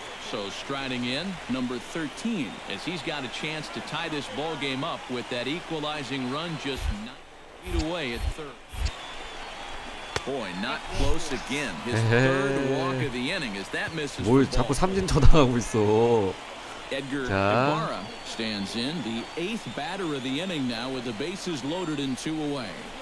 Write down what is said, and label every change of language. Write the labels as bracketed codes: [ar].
[en] So striding in, number 13, as he's got a chance to tie this ball game up with that equalizing run just 9 feet away at third. Boy, not close again. His third walk of the inning as that misses. [ko] 뭘 자꾸 삼진 쳐다가고 있어. [en] Edgar Guevara stands in, the eighth batter of the inning now with the bases loaded and two away.